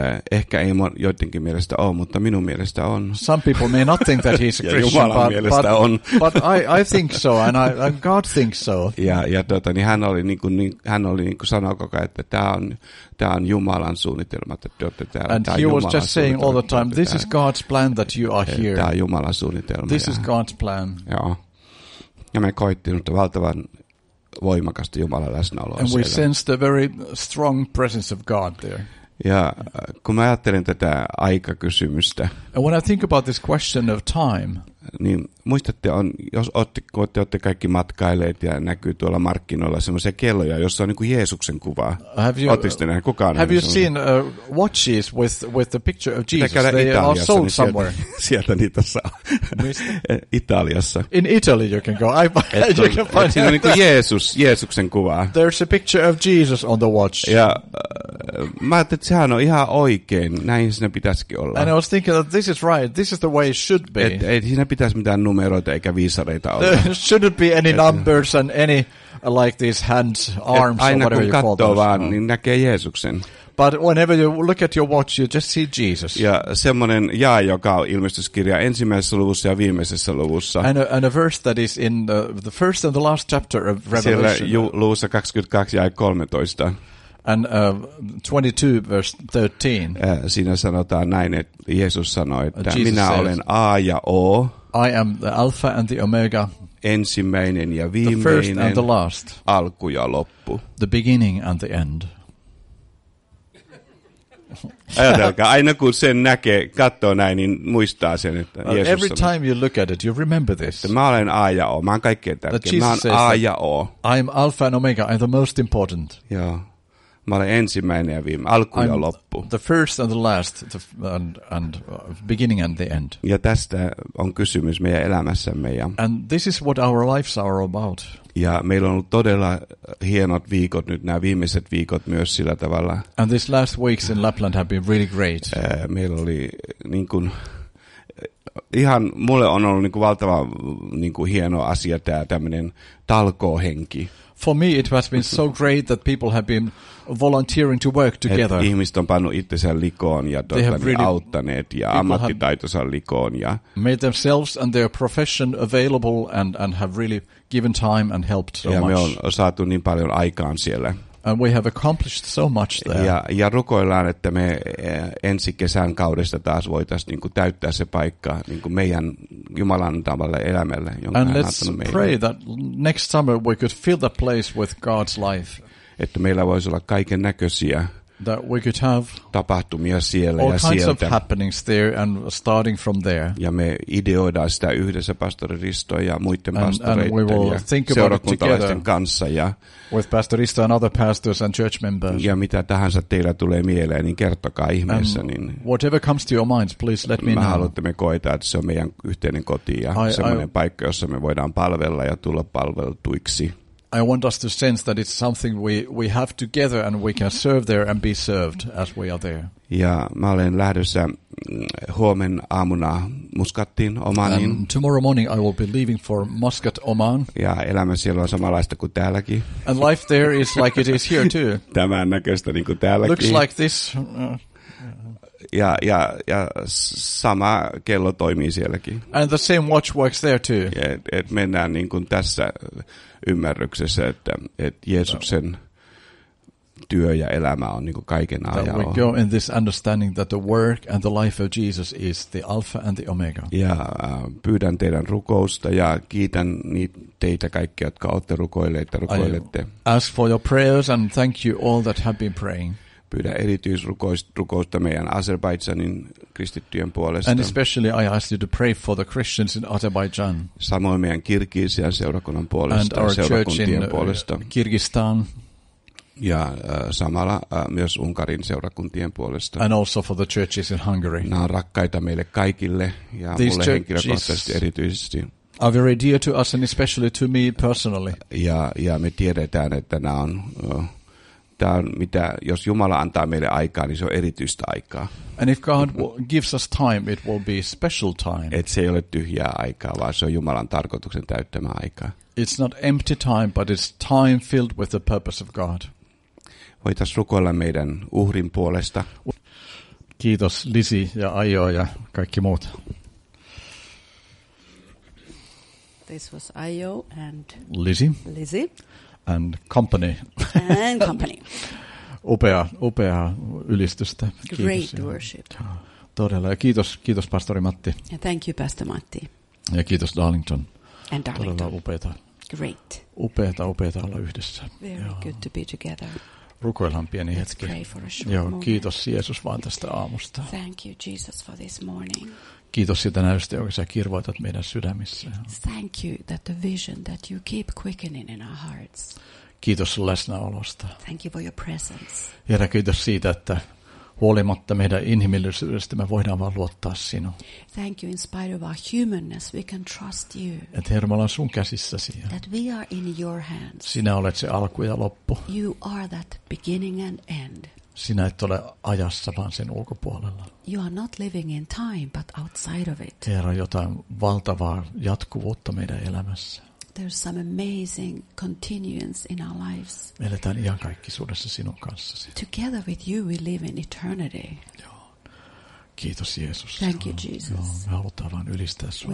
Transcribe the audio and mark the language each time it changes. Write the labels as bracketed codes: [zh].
[fi] Ehkä ei joidenkin mielestä ole, mutta minun mielestä on. [en] Some people may not think that he's a Christian, but I think so, and God thinks so. [fi] Ja tota, niin hän oli niin kuin sanoi koko ajan, että tämä on Jumalan suunnitelma, että te olette täällä. [en] And he was just saying all the time, this is God's plan that you are here. [fi] Tämä on Jumalan suunnitelma. [en] This is God's plan. [fi] Joo. Ja me koittiin, että valtavan voimakasta Jumalan läsnäoloa. [en] And we sensed a very strong presence of God there. [fi] Ja kun mä ajattelen tätä aikakysymystä. [en] And when I think about this question of time. [fi] niin muistatte, on, jos olette kaikki matkailleet ja näkyy tuolla markkinoilla semmoisia kelloja, jossa on niin kuin Jeesuksen kuvaa. [en] Have you seen watches with the picture of Jesus? They [fi] Italiassa, [en] are sold [fi] niin [en] somewhere. [fi] Sieltä niitä saa. Italiassa. [en] In Italy you can go. You can find [fi] siinä on niin kuin Jeesuksen kuvaa. [en] There's a picture of Jesus on the watch. [fi] Ja mä ajattelin, että sehän on ihan oikein. Näin siinä pitäisikin olla. [en] And I was thinking that this is right. This is the way it should be. [fi] Siinä pitäisi mitään numeroita eikä viisareita olla. [en] There shouldn't be any numbers and any like these hands, arms or whatever you call those. [fi] Aina kun katsoo vaan, niin näkee Jeesuksen. [en] But whenever you look at your watch, you just see Jesus. [fi] Ja semmoinen jae, joka on ilmestyskirja ensimmäisessä luvussa ja viimeisessä luvussa. [en] And a verse that is in the first and the last chapter of Revelation. [fi] Siellä luvussa 22 jae 13. [en] And 22 verse 13. [fi] Siinä sanotaan näin, että Jeesus sanoi, että minä olen A ja O. [en] I am the Alpha and the Omega. [fi] Ensimmäinen ja viimeinen. [en] The first and the last. [fi] Alku ja loppu. [en] The beginning and the end. [fi] Ajatelkaa, aina kun sen näkee, katsoo näin, niin muistaa sen, että Jeesus sanoi. [en] Every time you look at it, you remember this. [fi] Mä olen A ja O, mä oon kaikkein tärkein. Mä oon A ja O. [en] I am Alpha and Omega, I am the most important. [fi] Joo. Mä olen ensimmäinen ja viimeinen, alku ja loppu. [en] The first and the last, and beginning and the end. [fi] Ja tästä on kysymys meidän elämässämme. [en] And this is what our lives are about. [fi] Ja meillä on ollut todella hienot viikot nyt, nämä viimeiset viikot myös sillä tavalla. [en] And these last weeks in Lapland have been really great. [fi] Meillä oli niin kuin, ihan mulle on ollut niin kuin valtava niin kuin hieno asia tämä tämmöinen talkoohenki. [en] For me it has been so great that people have been volunteering to work together. [fi] Ihmiset on pannut itsensä likoon ja auttaneet ja ammattitaitonsa likoon ja [en] made themselves and their profession available and have really given time and helped so [fi] ja [en] much. [fi] Me on saatu niin paljon aikaan siellä. [en] And we have accomplished so much there. [fi] Ja rukoillaan, että me ensi kesän kaudesta taas voitaisiin niin kuin täyttää se paikka niin kuin meidän Jumalan tavalle elämälle, jonka [en] and [fi] hän [en] let's [fi] antanut meille. [en] Pray that next summer we could fill the place with God's life. [fi] Että meillä voisi olla kaiken näköisiä [en] that we could have [fi] tapahtumia siellä [en] all [fi] ja [en] kinds [fi] sieltä [en] of happenings there and starting from there. [fi] Ja me ideoidaan sitä yhdessä pastori Risto ja muiden pastoreiden ja seurakuntalaisten kanssa ja [en] with pastor Risto and other pastors and church members. [fi] Ja mitä tahansa teillä tulee mieleen, niin kertokaa ihmeessä. Niin [en] whatever comes to your mind, please let me know. [fi] Me haluamme, että me koetaan, että se on meidän yhteinen koti ja semmoinen paikka, jossa me voidaan palvella ja tulla palveltuiksi. [en] I want us to sense that it's something we have together and we can serve there and be served as we are there. [fi] Ja mä olen lähdössä huomen aamuna Muscatiin, Omaniin. [en] And tomorrow morning I will be leaving for Muscat, Oman. [fi] Ja elämä siellä on samanlaista kuin täälläkin. [en] And life there is like it is here too. [fi] Tämän näköistä niin kuin täälläkin. [en] Looks like this. [fi] Ja sama kello toimii sielläkin. [en] And the same watch works there too. [fi] Et mennään niin kuin tässä ymmärryksessä, että Jeesuksen työ ja elämä on niin kuin kaiken ajan. [en] We go in this understanding that the work and the life of Jesus is the Alpha and the Omega. [fi] Ja pyydän teidän rukousta ja kiitän teitä kaikki, jotka olette rukoilleet ja rukoilette. [en] I ask for your prayers and thank you all that have been praying. [fi] Pyydä erityisrukousta meidän Azerbaidžanin kristittyjen puolesta. [en] And especially I ask you to pray for the Christians in Azerbaijan. [fi] Samoin meidän Kirgisian seurakunnan puolesta. [en] And our church in [fi] puolesta. [en] Kyrgyzstan. [fi] Ja samalla myös Unkarin seurakuntien puolesta. [en] And also for the churches in Hungary. [fi] Nämä on rakkaita meille kaikille ja [en] these [fi] mulle henkilökohtaisesti erityisesti. [en] Are very dear to us and especially to me personally. [fi] Ja me tiedetään, että nämä on tämä on, mitä, jos Jumala antaa meille aikaa, niin se on erityistä aikaa. [en] And if God gives us time, it will be special time. [fi] Et se ei ole tyhjää aikaa, vaan se on Jumalan tarkoituksen täyttämää aikaa. [en] It's not empty time, but it's time filled with the purpose of God. [fi] Voitais rukoilla meidän uhrin puolesta. Kiitos Lisi ja Ajo ja kaikki muut. [en] This was Ajo and Lisi. And company. And company. [fi] upea ylistystä. [en] Great [fi] kiitos. [en] Worship. [fi] Todella. Ja kiitos pastori Matti. [en] And thank you, Pastor Matti. [fi] Ja kiitos Darlington. [en] And Darlington. [fi] Todella upeata. [en] Great. [fi] Upeata olla yhdessä. [en] Very joo. Good to be together. [fi] Rukoillaan pieni [en] let's [fi] hetki. [en] Pray for a short [fi] joo, [en] moment. [fi] Kiitos Jeesus vaan tästä aamusta. [en] Thank you, Jesus, for this morning. [fi] Kiitos siitä näystä, jonka sä kirvoitat meidän sydämissä. [en] Thank you that the vision that you keep quickening in our hearts. [fi] Kiitos sun läsnäolosta. [en] Thank you for your presence. [fi] Herra, kiitos siitä, että huolimatta meidän inhimillisyydestä me voidaan vaan luottaa sinuun. [en] Thank you, in spite of our humanness, we can trust you. [fi] Et Herra, me ollaan sun käsissäsi. [en] That we are in your hands. [fi] Sinä olet se alku ja loppu. [en] You are that beginning and end. [fi] Sinä et ole ajassa, vaan sen ulkopuolella. [en] You are not living in time, but outside of it. [fi] Herra, jotain valtavaa jatkuvuutta meidän elämässä. [en] There's some amazing continuance in our lives. [fi] Me eletään iankaikkisuudessa sinun kanssasi. [en] Together with you we live in eternity. [fi] Kiitos Jeesus. [en] Thank you Jesus. [fi] Joo, me halutaan vaan ylistää sinua.